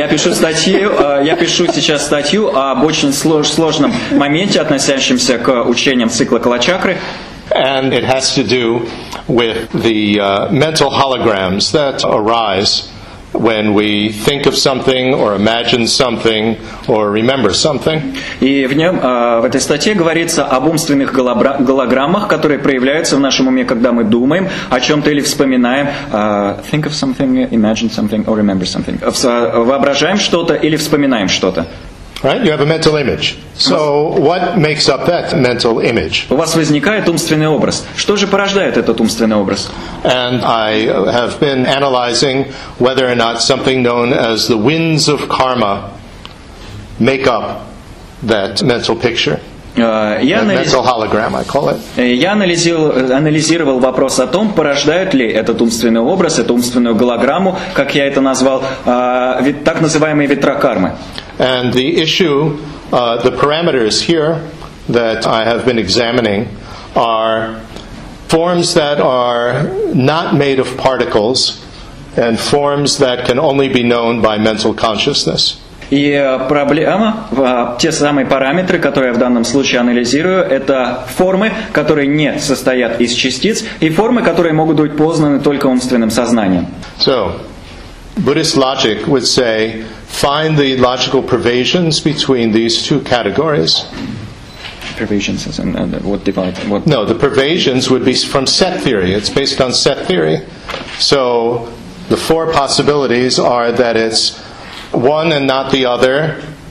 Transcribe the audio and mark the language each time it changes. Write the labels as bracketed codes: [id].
[ru] Я пишу сейчас статью об очень сложном моменте, относящемся к учениям цикла Калачакры. [en] And it has to do with the mental holograms that arise when we think of something or imagine something or remember something. [ru] И в нём, в этой статье говорится об умственных голограммах, которые проявляются в нашем уме, когда мы думаем о чём-то или вспоминаем. [en] Think of something, imagine something or remember something. [ru] Воображаем что-то или вспоминаем что-то. [en] Right, you have a mental image. So, what makes up that mental image? [ru] У вас возникает умственный образ. Что же порождает этот умственный образ? [en] And I have been analyzing whether or not something known as the winds of karma make up that mental picture. Mental hologram, I call it. [ru] Я анализировал вопрос о том, порождает ли этот умственный образ, эту умственную голограмму, как я это назвал, так называемые ветра кармы. [en] And the issue, the parameters here that I have been examining are forms that are not made of particles and forms that can only be known by mental consciousness. [ru] И проблема, те самые параметры, которые я в данном случае анализирую, это формы, которые не состоят из частиц, и формы, которые могут быть познаны только умственным сознанием. [en] So, Buddhist logic would say, find the logical pervasions between these two categories. Pervasions, and what divide? What? No, the pervasions would be from set theory. It's based on set theory. So, the four possibilities are that it's one and not the other,